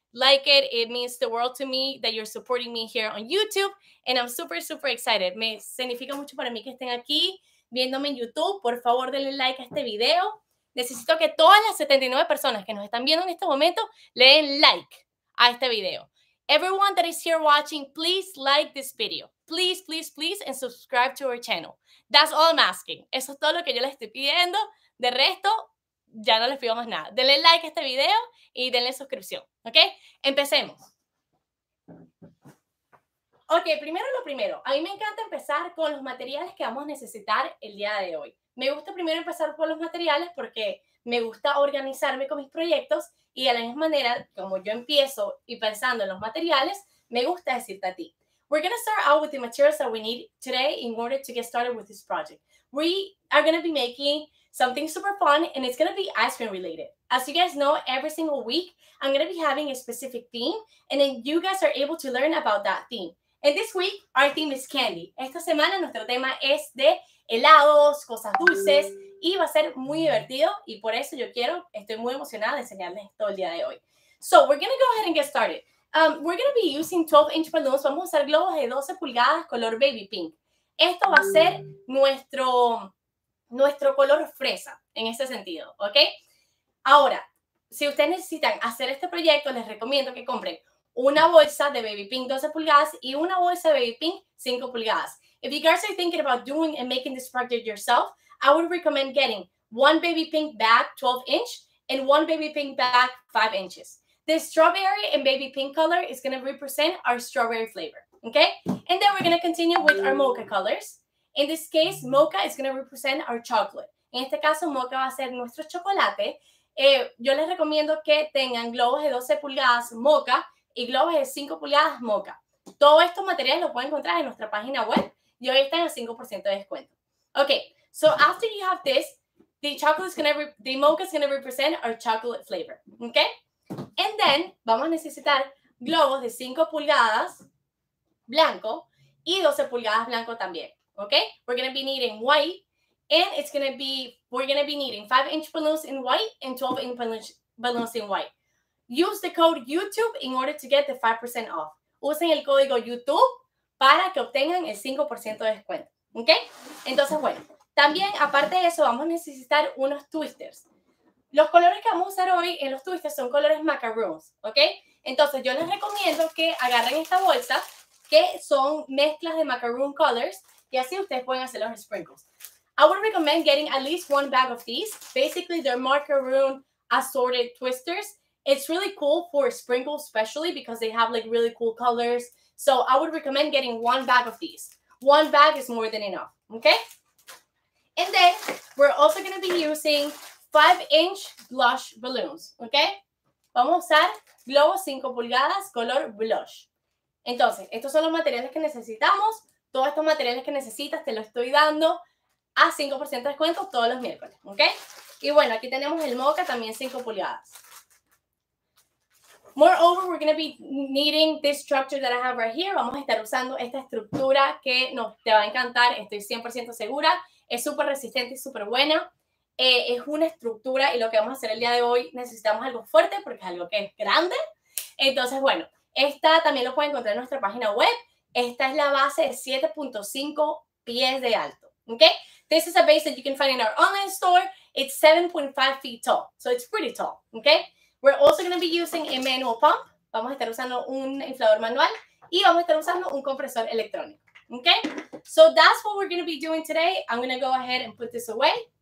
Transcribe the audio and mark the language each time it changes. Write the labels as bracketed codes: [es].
[en] Like it, it means the world to me that you're supporting me here on YouTube and I'm super, super excited. [es] Me significa mucho para mí que estén aquí viéndome en YouTube. Por favor, denle like a este video. Necesito que todas las 79 personas que nos están viendo en este momento le den like a este video. [en] Everyone that is here watching, please like this video. Please, please, please, and subscribe to our channel. That's all I'm asking. [es] Eso es todo lo que yo les estoy pidiendo. De resto, ya no les pido más nada. Denle like a este video y denle suscripción. ¿Ok? Empecemos. Ok, primero lo primero. A mí me encanta empezar con los materiales que vamos a necesitar el día de hoy. Me gusta primero empezar por los materiales porque me gusta organizarme con mis proyectos y de la misma manera, como yo empiezo y pensando en los materiales, me gusta decirte a ti. [en] We're going to start out with the materials that we need today in order to get started with this project. We are going to be making something super fun and it's going to be ice cream related. As you guys know, every single week, I'm going to be having a specific theme and then you guys are able to learn about that theme. And this week, our theme is candy. [es] Esta semana nuestro tema es de helados, cosas dulces, y va a ser muy divertido, y por eso yo quiero, estoy muy emocionada de enseñarles todo el día de hoy. [en] So, we're going to go ahead and get started. We're going to be using 12-inch balloons. [es] Vamos a usar globos de 12 pulgadas color baby pink. Esto va a ser nuestro color fresa, en ese sentido, ¿ok? Ahora, si ustedes necesitan hacer este proyecto, les recomiendo que compren una bolsa de baby pink 12 pulgadas y una bolsa de baby pink 5 pulgadas. [en] If you guys are thinking about doing and making this project yourself, I would recommend getting one baby pink bag 12 inch and one baby pink bag 5 inches. The strawberry and baby pink color is going to represent our strawberry flavor, okay? And then we're going to continue with our mocha colors. In this case, mocha is going to represent our chocolate. [es] En este caso, mocha va a ser nuestro chocolate. Yo les recomiendo que tengan globos de 12 pulgadas mocha y globos de 5 pulgadas mocha. Todos estos materiales los pueden encontrar en nuestra página web y hoy están a 5% de descuento. [en] Okay, so after you have this, the mocha is going to represent our chocolate flavor, okay? And then, [es] vamos a necesitar globos de 5 pulgadas blanco y 12 pulgadas blanco también, okay? [en] We're going to be needing white and we're going to be needing 5-inch balloons in white and 12-inch balloons in white. Use the code YouTube in order to get the 5% off. [es] Usen el código YouTube para que obtengan el 5% de descuento. ¿Ok? Entonces, bueno, también, aparte de eso, vamos a necesitar unos twisters. Los colores que vamos a usar hoy en los twisters son colores macaroons. ¿Ok? Entonces, yo les recomiendo que agarren esta bolsa, que son mezclas de macaroon colors, y así ustedes pueden hacer los sprinkles. [en] I would recommend getting at least one bag of these. Basically, they're macaroon assorted twisters. It's really cool for sprinkles, especially because they have like really cool colors. So I would recommend getting one bag of these. One bag is more than enough, okay? And then we're also going to be using 5-inch blush balloons, okay? [es] Vamos a usar globos 5 pulgadas color blush. Entonces, estos son los materiales que necesitamos. Todos estos materiales que necesitas te los estoy dando a 5% de descuento todos los miércoles, okay? Y bueno, aquí tenemos el mocha también 5 pulgadas. [en] Moreover, we're going to be needing this structure that I have right here. [es] Vamos a estar usando esta estructura que te va a encantar. Estoy 100% segura. Es súper resistente y súper buena. Es una estructura y lo que vamos a hacer el día de hoy, necesitamos algo fuerte porque es algo que es grande. Entonces, bueno, esta también lo pueden encontrar en nuestra página web. Esta es la base de 7.5 pies de alto. [en] Okay? This is a base that you can find in our online store. It's 7.5 feet tall. So it's pretty tall. Okay? We're also going to be using a manual pump. [es] Vamos a estar usando un inflador manual y vamos a estar usando un compresor electrónico. Okay? [en] So that's what we're going to be doing today. I'm going to go ahead and put this away.